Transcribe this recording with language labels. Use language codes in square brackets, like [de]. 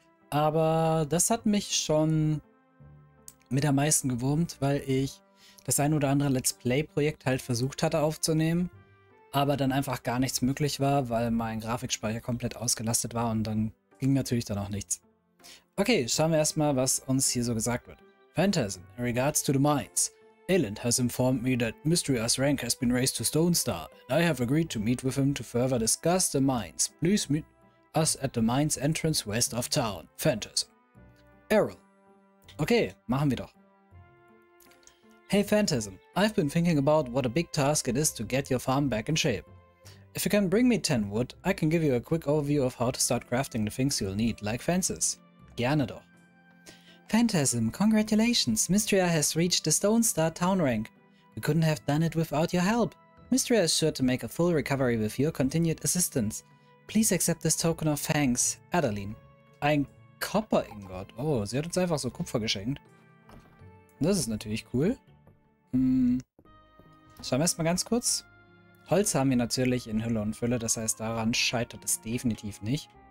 [de] Aber das hat mich schon mit am meisten gewurmt, weil ich das ein oder andere Let's Play-Projekt halt versucht hatte aufzunehmen. Aber dann einfach gar nichts möglich war, weil mein Grafikspeicher komplett ausgelastet war und dann ging natürlich dann auch nichts. Okay, schauen wir erstmal, was uns hier so gesagt wird. [en] Phantasm, in regards to the mines. Aland has informed me that Mystria's rank has been raised to Stone Star, and I have agreed to meet with him to further discuss the mines. Please meet us at the mines entrance west of town. Phantasm. Errol. [de] Okay, machen wir doch. [en] Hey Phantasm, I've been thinking about what a big task it is to get your farm back in shape. If you can bring me 10 wood, I can give you a quick overview of how to start crafting the things you'll need, like fences. [de] Gerne doch. [en] Phantasm, congratulations! Mystria has reached the Stone Star Town Rank. We couldn't have done it without your help. Mystria is sure to make a full recovery with your continued assistance. Please accept this token of thanks, Adeline. [de] Ein Kupferingot. Oh, sie hat uns einfach so Kupfer geschenkt. Das ist natürlich cool. Schauen wir erstmal ganz kurz. Holz haben wir natürlich in Hülle und Fülle, das heißt, daran scheitert es definitiv nicht.